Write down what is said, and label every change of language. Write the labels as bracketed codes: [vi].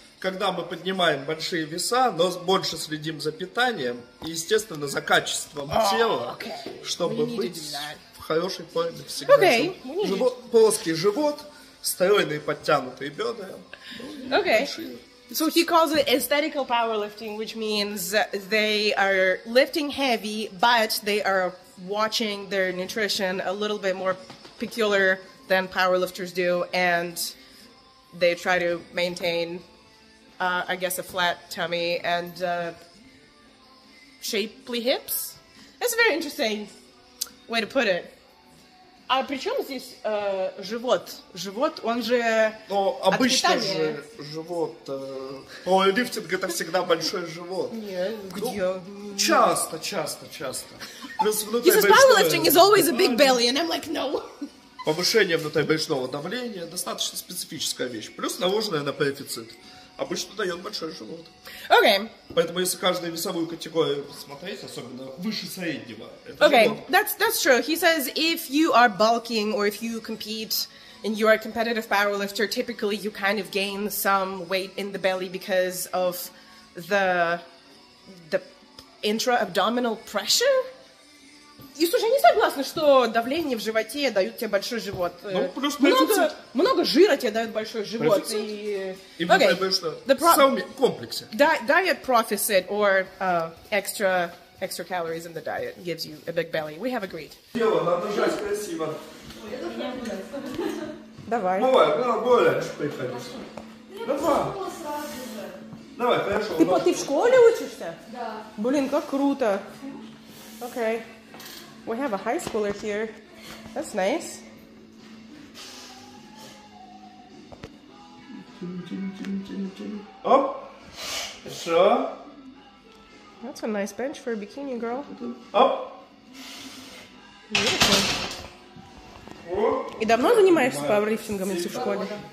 [ru] Когда мы поднимаем большие веса, но больше следим за питанием и, естественно, за качеством тела, чтобы быть в хорошей форме всегда. [en] Okay. [ru] Плоский живот, стройные подтянутые бедра. [en] Okay. So he calls it aesthetical powerlifting, which means they are lifting heavy, but they are watching their nutrition a little bit more peculiar than powerlifters do, and they try to maintain. I guess a flat tummy and shapely hips. That's a very interesting way to put it. [ru] А при чем здесь живот? Живот, он же Но обычно же живот... Пауэрлифтинг — это всегда большой живот. Нет, Часто. [en] He says powerlifting is always a big belly, and I'm like, no. [ru] Повышение внутрибрюшного давления — достаточно специфическая вещь. Плюс наложенное на префицит. Обычно дает большой живот. [en] Okay. [ru] Поэтому если каждую весовую категорию посмотреть, особенно выше среднего, это [en] okay. [ru] живот. [en] That's true. He says if you are bulking or if you compete and you are a competitive powerlifter, typically you kind of gain some weight in the belly because of the intra-abdominal pressure. [ru] И слушай, не согласна, что давление в животе дает тебе большой живот. Ну, плюс префицит. Много жира тебе дает большой живот. Префицит. И okay. Потому что в комплексе. [en] Diet profit or extra calories in the diet gives you a big belly. We have agreed. [ru] Дело, надо жать красиво. Давай. Давай, хорошо. Ты в школе учишься? Да. Блин, как круто. Окей. [en] We have a high schooler here. That's nice. Oh, so that's a nice bench for a bikini girl. Oh, beautiful. [ru] И давно занимаешься пауэрлифтингом в школе?